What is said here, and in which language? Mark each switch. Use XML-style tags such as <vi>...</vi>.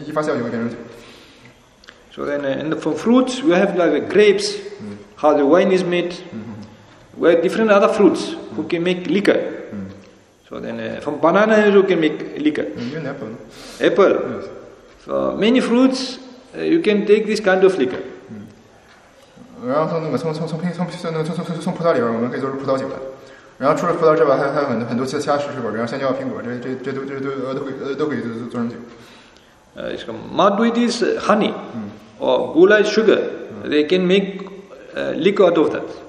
<zh>他说那个这花为什么酿酒呢？他说比方说有些植物，像这个椰子花，它里边还有大量糖浆，然后这种糖浆里边当然还有大量的碳化合物，然后这东西一发酵就会变成酒。So</zh> <en>then and for fruits we have like grapes, how the wine is made, we have different other fruits who can make liquor. So then, from banana you can make liquor. Apple. Apple. Yes. So many fruits, you can take this kind of liquor.</en> <zh>然后从葡萄里边，我们可以做出葡萄酒来。然后除了葡萄之外，还有很多其他水果，比如香蕉、苹果，这都可以做成酒。</zh> <en>Madhu it is honey, or gula is sugar. They can make liquor out of that.</en>